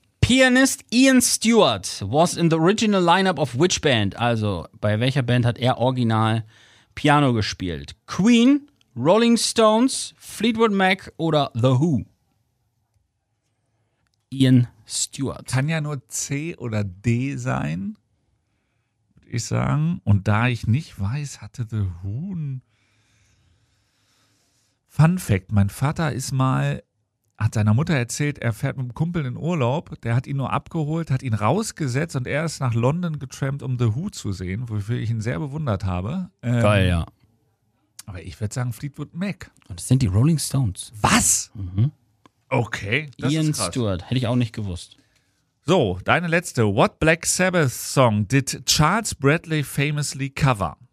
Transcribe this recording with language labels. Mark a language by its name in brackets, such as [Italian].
[English] Pianist Ian Stewart was in the original lineup of which band? [German] Also, bei welcher Band hat er original Piano gespielt? Queen, Rolling Stones, Fleetwood Mac oder The Who? Ian Stewart. Kann ja nur C oder D sein. würde ich sagen. Und da ich nicht weiß, hatte The Who ein Fun Fact. Mein Vater ist mal, hat seiner Mutter erzählt, er fährt mit einem Kumpel in Urlaub. Der hat ihn nur abgeholt, hat ihn rausgesetzt und er ist nach London getrampt, um The Who zu sehen, wofür ich ihn sehr bewundert habe. Geil, ja. Aber ich würde sagen Fleetwood Mac. Und es sind die Rolling Stones. Was? Mhm. Okay, das Ian ist krass. Stewart, hätte ich auch nicht gewusst. So, deine letzte. [English] What Black Sabbath Song did Charles Bradley famously cover?